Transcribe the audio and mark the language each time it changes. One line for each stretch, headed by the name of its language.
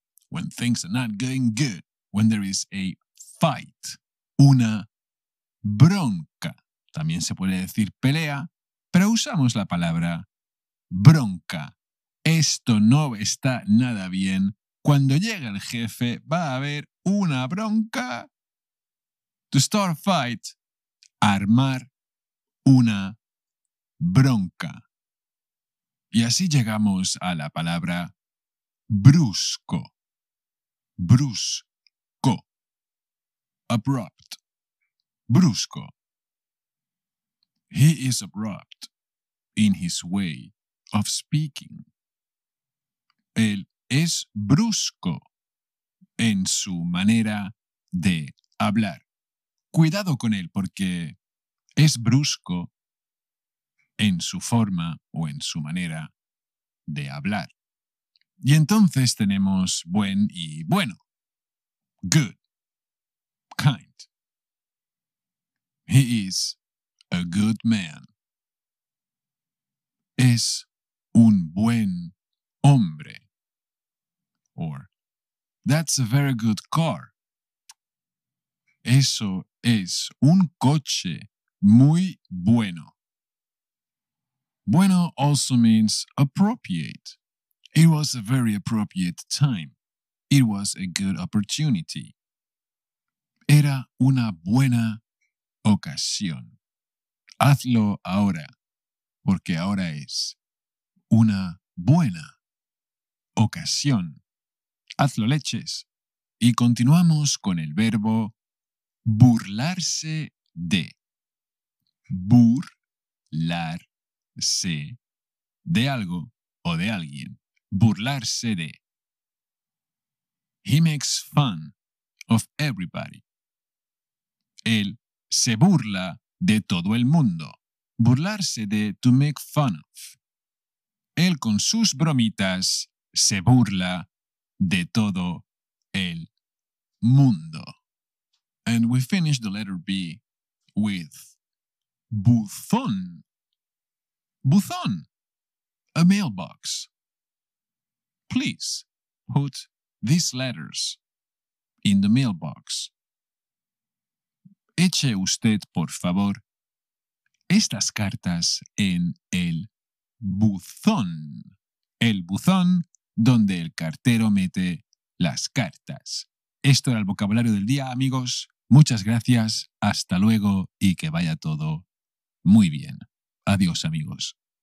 English: When things are not going good, when there is a fight.
Spanish: Una bronca. También se puede decir pelea, pero usamos la palabra bronca. Esto no está nada bien. Cuando llega el jefe, va a haber una bronca.
English: To start a fight.
Spanish: Armar una bronca. Y así llegamos a la palabra brusco. Brusco. Abrupt. Brusco.
English: He is abrupt in his way of speaking.
Spanish: Él es brusco en su manera de hablar. Cuidado con él porque es brusco en su forma o en su manera de hablar. Y entonces tenemos buen y bueno.
English: Good. Kind. He is a good man.
Spanish: Es un buen hombre.
English: Or, that's a very good car.
Spanish: Eso es un coche muy bueno.
English: Bueno also means appropriate. It was a very appropriate time. It was a good opportunity.
Spanish: Era una buena ocasión. Hazlo ahora, porque ahora es una buena ocasión. Hazlo leches. Y continuamos con el verbo burlarse de. Burlarse de algo o de alguien. Burlarse de.
English: He makes fun of everybody.
Spanish: Él se burla de todo el mundo. Burlarse de,
English: to make fun of.
Spanish: Él con sus bromitas se burla de todo el mundo.
English: And we finish the letter B with buzón. Buzón. A mailbox. Please put these letters in the mailbox.
Spanish: Eche usted, por favor, estas cartas en el buzón. El buzón donde el cartero mete las cartas. Esto era el vocabulario del día, amigos. Muchas gracias, hasta luego y que vaya todo muy bien. Adiós, amigos.